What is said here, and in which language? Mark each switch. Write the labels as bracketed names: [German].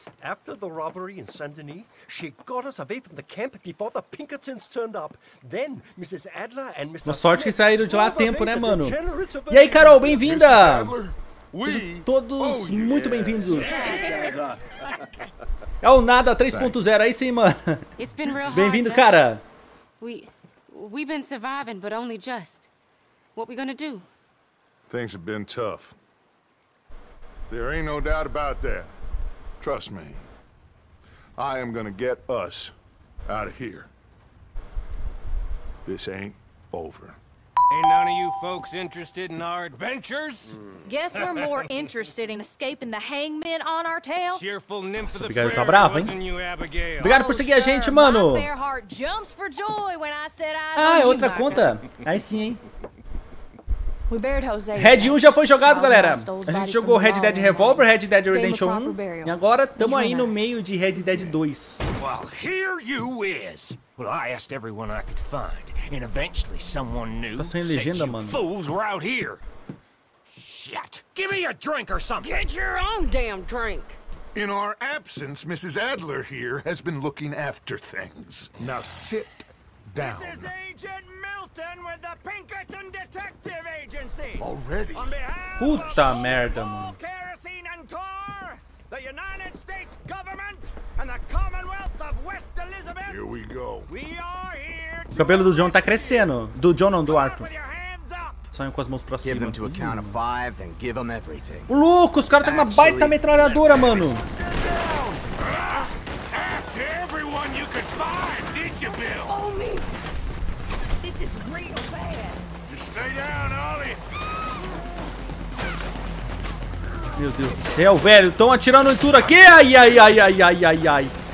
[English] After the robbery in Saint-Denis, she got us away from the camp before the Pinkertons turned up. Then Mrs. Adler and Mr. [Portuguese] Uma sorte que saíram de lá a tempo, né, mano? E aí, Carol, bem-vinda! Sejam todos muito bem-vindos. É o nada 3.0 aí sim, mano. Bem-vindo, cara. [English] We've been surviving, but only just. What we gonna do? Things have been tough. There ain't no doubt about that. Trust me. I am gonna get us out of here. This ain't over. Ain't none of you folks interested in our adventures? Guess we're more interested in escaping the hangman on our tail? Cheerful nymph. [Portuguese] Nossa, obrigado, tá bravo, hein? Obrigado por seguir a gente, mano. Ah, é outra conta? Aí sim, hein? Red 1 já foi jogado, galera. A gente jogou Red Dead Revolver, Red Dead Redemption 1. E agora estamos aí no meio de Red Dead 2. [English] Well, here you is. Well, I asked everyone I could find, and eventually someone knew. [Portuguese] Tá sem legenda, mano. [English] Fools were out here. Shit. Give me a drink or something. Get your own damn drink. In our absence, Mrs. Adler here has been looking after things. Now sit down. This is Agent Milton with the Pinkerton Detective Agency. Already? [Portuguese] Puta merda, mano. [English] Kerosene and tar, the United States government and the Commonwealth of West Elizabeth. Here we go. We are here. [Portuguese] O cabelo do John tá crescendo. Do John ou do Arthur? Saiu com as mãos pra cima. O louco, os caras tá com uma baita metralhadora, mano. [English] Ask everyone you could find, did you, Bill? Follow me. This is real bad. Just stay down, Ollie. [Portuguese] Meu Deus do céu, velho. Tão atirando em tudo aqui. Ai, ai, ai, ai, ai, ai, ai.